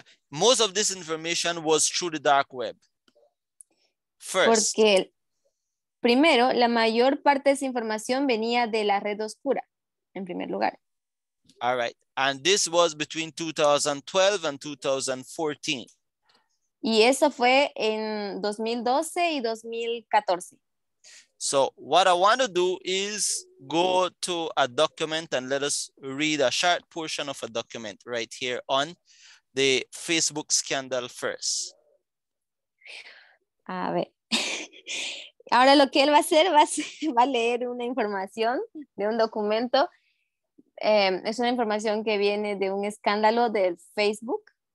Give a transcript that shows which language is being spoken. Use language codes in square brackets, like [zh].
[en] Most of this information was through the dark web. First. [es] Porque primero, la mayor parte de esa información venía de la red oscura, en primer lugar. [en] All right. And this was between 2012 and 2014. [es] Y eso fue en 2012 y 2014. [en] So what I want to do is go to a document and let us read a short portion of a document right here on the Facebook scandal first. [es] A ver. Ahora lo que él va a hacer va a leer una información de un documento. Es una información que viene de un escándalo de Facebook.